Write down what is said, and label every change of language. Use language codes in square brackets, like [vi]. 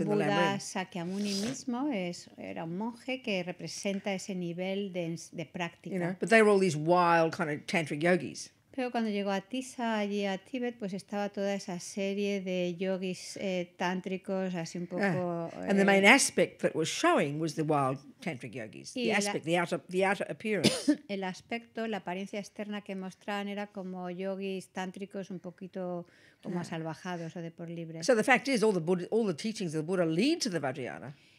[en] Buddha in the land. [es] Buda Shakyamuni mismo era un monje que representa ese nivel de práctica. [en] You know, but they were all these wild kind of tantric yogis. [es] Pero cuando llegó a Tisa, allí a Tíbet, pues estaba toda esa serie de yogis tántricos, así un poco... [en] And the main aspect that was showing was the wild tantric yogis. The aspect, the outer appearance. [es] El aspecto, la apariencia externa que mostraban era como yogis tántricos un poquito como salvajados o de por libre. [en] So the fact is, all the teachings of the Buddha lead to the Vajrayana.